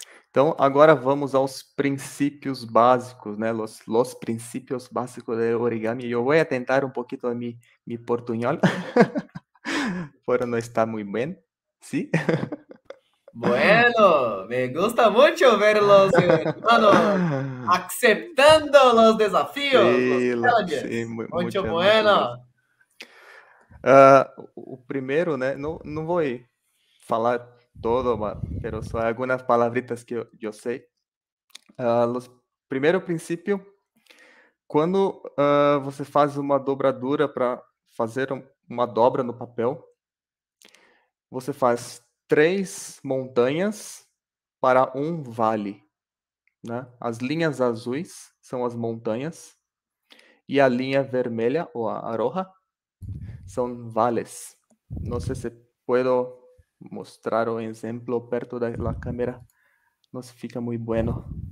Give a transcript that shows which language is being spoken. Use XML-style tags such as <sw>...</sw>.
<pt>Então, agora vamos aos princípios básicos, né?</pt> <es>Los principios básicos de origami.</es> <pt>Eu vou tentar um pouquinho mi portuñol, por não estar muito bem, sim?</pt> <es>¿Sí? Bueno, me gusta mucho ver los hermanos aceptando los desafios, sí, los challenges. Sí, mucho bueno.</es> <pt>O primeiro, né? Não vou falar todo,</pt> <es>pero son algunas palabritas que yo sé. Primero principio, cuando</es> <pt>você faz</pt> <es>una dobradura para hacer una</es> <pt>dobra no papel,</pt> <es>você faz tres montañas para un vale, né? As linhas azuis son las montañas y la línea</es> <pt>vermelha o</pt> <es>a roja son vales. No sé si puedo mostrar un ejemplo</es> <pt>perto</pt> <es>de la cámara, no se</es> <pt>fica</pt> <es>muy bueno.</es>